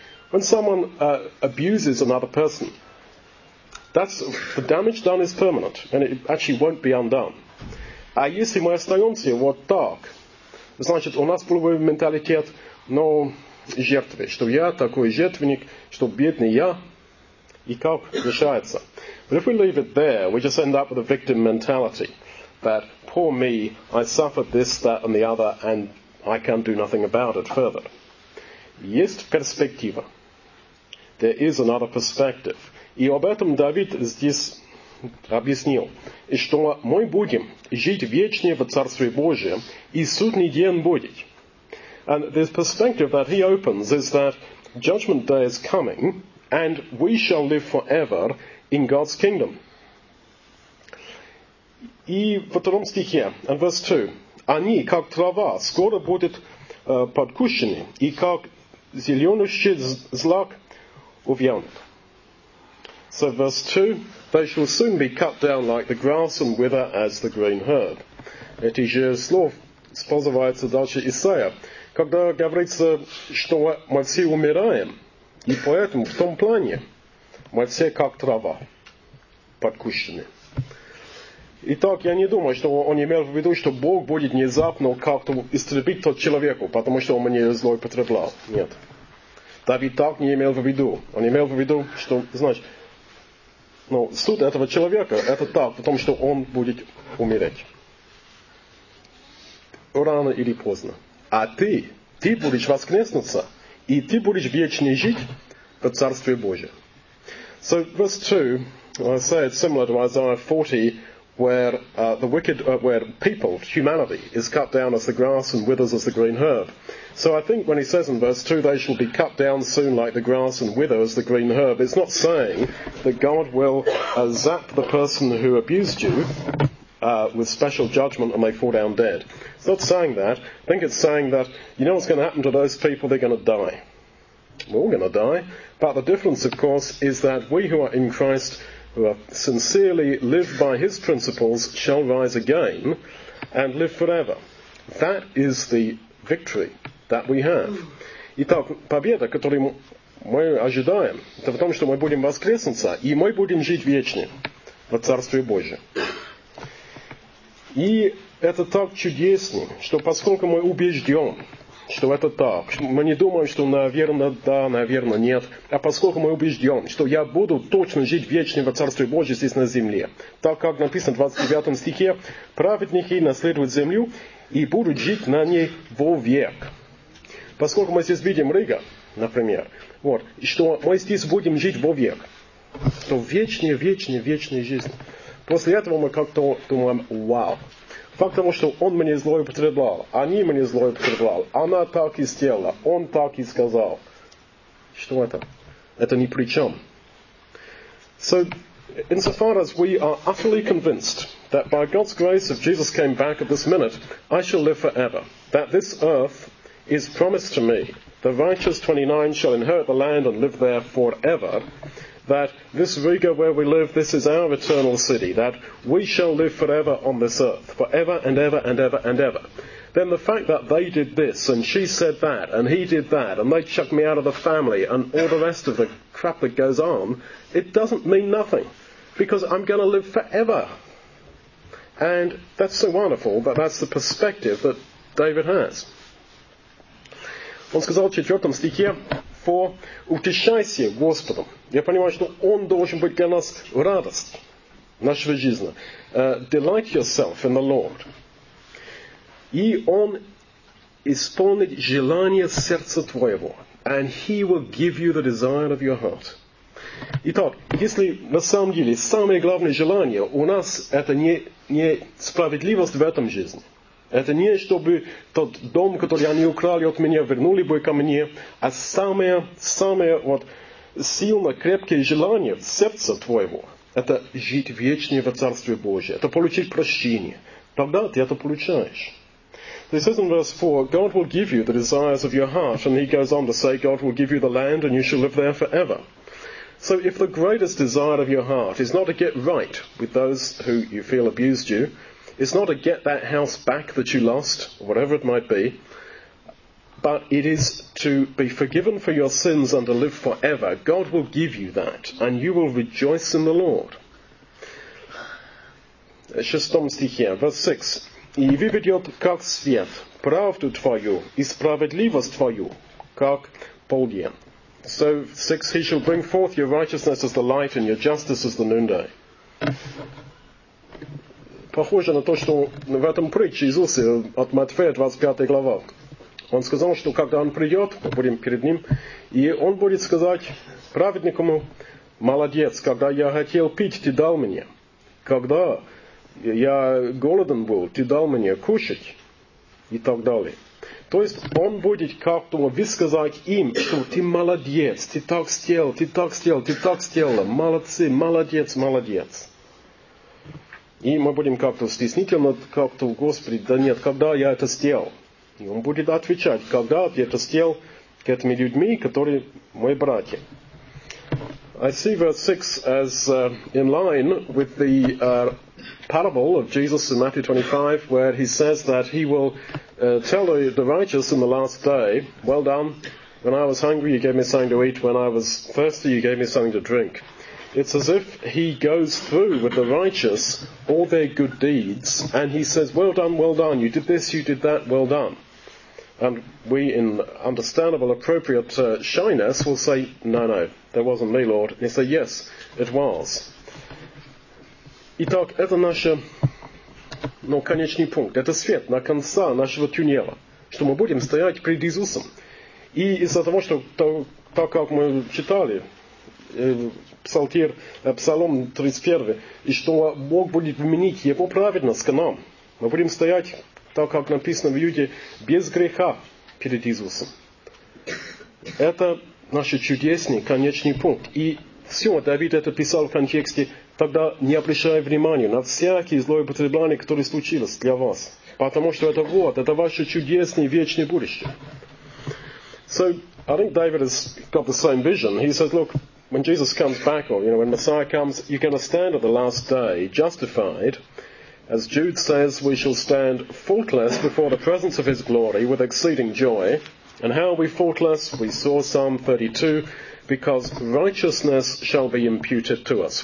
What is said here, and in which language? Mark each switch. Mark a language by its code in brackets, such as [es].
[en] When someone abuses another person, the damage done is permanent, and it actually won't be undone. [ru] А если мы остаемся вот так, значит, у нас половой менталитет, жертвы, что я такой жертвенник, что бедный я, и как решается. [en] But if we leave it there, we just end up with a victim mentality, that poor me, I suffered this, that, and the other, and I can do nothing about it further. [ru] Есть перспектива. [en] There is another perspective. [ru] И об этом Давид здесь объяснил. И что мы будем жить вечно в Царстве Божьем, и судный день будет. [en] And this perspective that he opens is that judgment day is coming, and we shall live forever in God's kingdom. [ru] И в втором стихе, [en] and verse 2, [ru] они, как трава, скоро будут подкушены, и как зеленущий злак увянут. [en] So verse 2, they shall soon be cut down like the grass and wither as the green herb. [ru] Эти же слова использовываются дальше Исаия, когда говорится, что мы все умираем, и поэтому в том плане мы все как трава подкушены. Итак, я не думаю, что он имел в виду, что Бог будет внезапно как-то истребить тот человека, потому что он мне злоупотреблял. Нет. Давид так не имел в виду. Он имел в виду, что, суд этого человека, это так, потому что он будет умереть. Рано или поздно. А ты будешь воскреснуться, и ты будешь вечно жить в Царстве Божьем. [en] So, verse 2, I say it's similar to Isaiah 40, where where people, humanity, is cut down as the grass and withers as the green herb. So I think when he says in verse 2, they shall be cut down soon like the grass and wither as the green herb, it's not saying that God will zap the person who abused you with special judgment and they fall down dead. It's not saying that. I think it's saying that, you know what's going to happen to those people? They're going to die. We're all going to die. But the difference, of course, is that we who are in Christ, who have sincerely lived by his principles, shall rise again and live forever. That is the victory that we have. [ru] Итак, победа, которую мы ожидаем, это в том, что мы будем воскреснуться, и мы будем жить вечно в Царстве Божьем. И это так чудесно, что поскольку мы убежден, что это так, мы не думаем, что наверное да, наверное нет, а поскольку мы убежден, что я буду точно жить вечно во Царстве Божьем здесь на земле, так как написано в 29 стихе, праведники наследуют землю и будут жить на ней вовек. Поскольку мы здесь видим Рига, например, вот, и что мы здесь будем жить вовек, то вечная жизнь. После этого мы как-то думаем, вау. Факт того, что он мне злоупотреблял, они мне злоупотреблял, она так и сделала, он так и сказал. Что это? Это ни при чем. [en] So, insofar as we are utterly convinced that by God's grace, if Jesus came back at this minute, I shall live forever, that this earth is promised to me, the righteous 29 shall inherit the land and live there forever, that this Riga where we live, this is our eternal city, that we shall live forever on this earth, forever and ever and ever and ever. Then the fact that they did this, and she said that, and he did that, and they chucked me out of the family, and all the rest of the crap that goes on, it doesn't mean nothing, because I'm going to live forever. And that's so wonderful, but that's the perspective that David has. [ru] Он сказал в четвертом стихе, поутешайся Господом. Я понимаю, что Он должен быть для нас радость нашего жизни. [en] Delight yourself in the Lord. [ru] И Он исполнит желание сердца твоего. [en] And He will give you the desire of your heart. [ru] Итак, если на самом деле самое главное желание у нас это не справедливость в этом жизни. Это не чтобы тот дом, который они украли от меня, вернули бы ко мне, а самое вот сильное, крепкое желание сердца твоего – это жить вечно во Царстве Божьем, это получить прощение. Тогда ты это получаешь. [en] This is in verse 4. God will give you the desires of your heart. And he goes on to say, God will give you the land and you shall live there forever. So if the greatest desire of your heart is not to get right with those who you feel abused you, it's not to get that house back that you lost, whatever it might be, but it is to be forgiven for your sins and to live forever. God will give you that, and you will rejoice in the Lord. [ru] В шестом стихе, [en] verse 6. [ru] И выведет как свет правду твою и справедливость твою, как полдень. [en] So, 6. He shall bring forth your righteousness as the light and your justice as the noonday. [ru] Похоже на то, что в этом притче Иисуса от Матфея, 25 глава. Он сказал, что когда Он придет, мы будем перед Ним, и Он будет сказать праведнику: «Молодец, когда я хотел пить, ты дал мне. Когда я голоден был, ты дал мне кушать». И так далее. То есть Он будет как-то высказать им, что «Ты молодец, ты так сделал, ты так сделал, ты так сделал, молодцы, молодец, молодец». И мы будем как-то стеснительно, как-то: «Господи, да нет, когда я это сделал?» И Он будет отвечать: «Когда ты это сделал к этими людьми, которые мои братья?» [en] I see verse 6 as in line with the parable of Jesus in Matthew 25, where he says that he will tell the righteous in the last day, "Well done, when I was hungry you gave me something to eat, when I was thirsty you gave me something to drink." It's as if he goes through with the righteous all their good deeds, and he says, well done, you did this, you did that, well done. And we, in understandable, appropriate shyness, will say, no, no, that wasn't me, Lord. And he says, yes, it was. [ru] Итак, это наше, ну, конечный пункт, это свет на конце нашего туннеля, что мы будем стоять перед Иисусом. И из-за того, что, так как мы читали, Псалом 31, и что Бог будет применить Его праведность к нам. Мы будем стоять, так как написано в Иуде, без греха перед Иисусом. Это наш чудесный, конечный пункт. И все, Давид это писал в контексте: тогда не обращай внимания на всякие злое потребление, которое случилось для вас. Потому что это вот, это ваше чудесное вечное будущее. [en] So, I think David has got the same vision. He says, look, when Jesus comes back, or you know, when Messiah comes, you're going to stand at the last day justified. As Jude says, we shall stand faultless before the presence of His glory with exceeding joy. And how are we faultless? We saw Psalm 32, because righteousness shall be imputed to us.